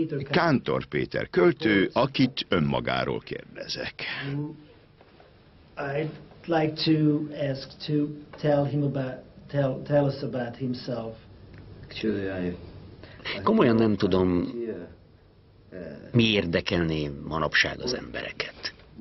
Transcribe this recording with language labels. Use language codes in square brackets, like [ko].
[hu] Kántor Péter, költő, akit önmagáról kérdezek. [en] I'd like to ask to tell him about, tell us about himself. [hu] Komolyan nem tudom, mi érdekelné manapság az embereket.